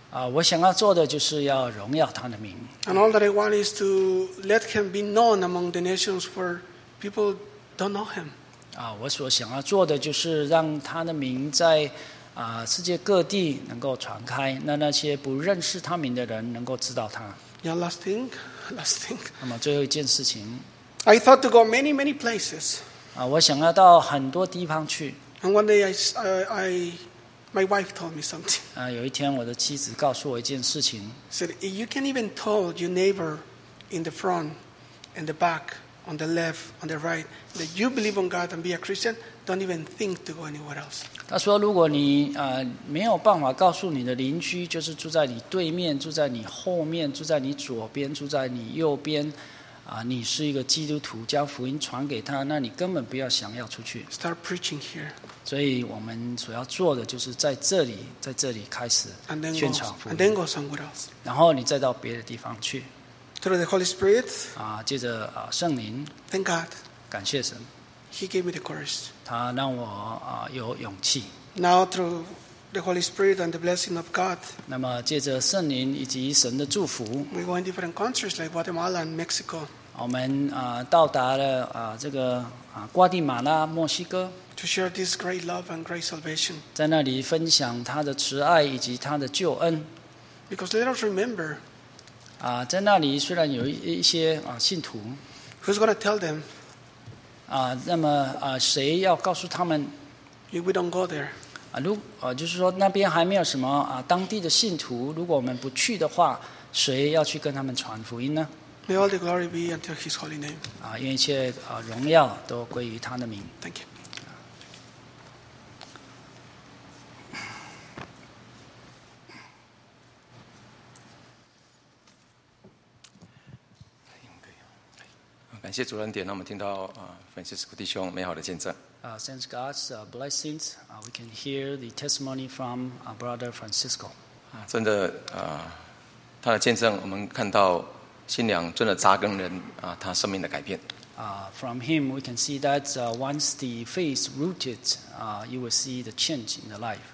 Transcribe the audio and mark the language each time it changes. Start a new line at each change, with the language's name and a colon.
Chinese: 我想要做的就是要荣耀他的名。
English: And all that I want is to let him be known among the nations where people don't know him.
Chinese: 我所想要做的就是让他的名在世界各地能够传开，那些不认识他名的人能够知道他。
English: Yeah, last thing.
Chinese: 那么最后一件事情。
English: I thought to go many places.
Chinese: 我想要到很多地方去。
English: And one day I My wife told me something.
Chinese: 有一天我的妻子告诉我一件事情。
English: Said you can even tell your neighbor in the front and the back, on the left, on the right, that you believe in God and be a Christian. Don't even think to go anywhere else.
Chinese: 他说，如果你没有办法告诉你的邻居，就是住在你对面、住在你后面、住在你左边、住在你右边。你是一个基督徒，将福音传给他，那你根本不要想要出去。
English: Start preaching here.
Chinese: 所以我们所要做的就是在这里，在这里开始宣传福音。
English: And then go somewhere else.
Chinese: 然后你再到别的地方去。
English: Through the Holy Spirit.
Chinese: 借着圣灵。
English: Thank God.
Chinese: 感谢神。
English: He gave me the courage.
Chinese: 他让我有勇气。
English: Now through the Holy Spirit and the blessing of God.
Chinese: 那么借着圣灵以及神的祝福。
English: We go in different countries like Guatemala and Mexico.
Chinese: 我们到达了这个瓜地马拉、墨西哥。
English: To share this great love and great salvation.
Chinese: 在那里分享他的慈爱以及他的救恩。
English: Because let us remember.
Chinese: 在那里虽然有一些信徒。
English: Who's going to tell them?
Chinese: 那么谁要告诉他们
English: ？If we don't go there.
Chinese: 就是说那边还没有什么当地的信徒，如果我们不去的话，谁要去跟他们传福音呢
English: ？May all the glory be unto His holy name.
Chinese: 愿一切荣耀都归于他的名。
English: Thank you.
Chinese: Okay. 感谢主恩典，让我们听到Francisco 弟兄美好的见证。
English: Since God's blessings, we can hear the testimony from our brother Francisco.
Chinese: 真的，他的见证，我们看到新娘真的扎根人他生命的改变。
English: From him, we can see that once the faith is rooted, you will see the change in the life.